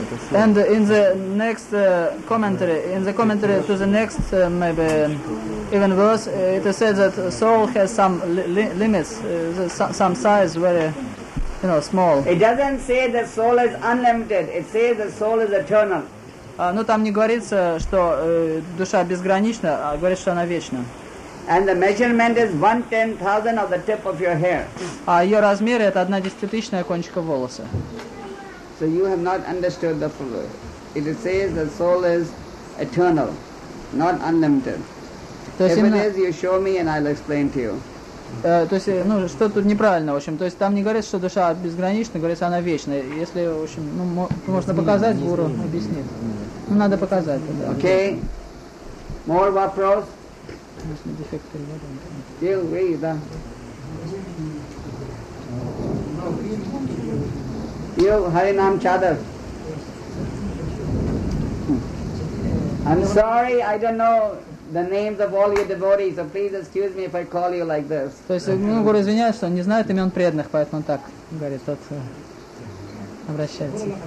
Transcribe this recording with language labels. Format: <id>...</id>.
<en>And in the next commentary, in the commentary to the next maybe even verse, it is said that soul has some limits, some size, very, you know, small. It doesn't say that soul is unlimited. It says that soul is eternal.</en> <ru>Ну там не говорится, что душа безгранична, а говорит, что она вечна.</ru> <en>And the measurement is 1/10,000 of the tip of your hair.</en> <ru>А ее размер это 1/10 кончика волоса.</ru> <en>So you have not understood the proverb. It says that soul is eternal, not unlimited. То есть, if it is, you show me and I'll explain to you.</en> <ru>То есть, ну, что тут неправильно, в общем. То есть там не говорится, что душа безгранична, говорится, она вечная. Если, в общем, ну, можно показать, гуру объяснит. Ну, надо показать тогда. Окей. More вопрос?</ru> <en>Still we, да. You, Harinam Chadar. I'm sorry, I don't know the names of all your devotees, so please excuse me if I call you like this.</en> <ru>То есть, ну, говорю, извиняюсь, что он не знает имен преданных, поэтому так, говорит, тот обращается.</ru>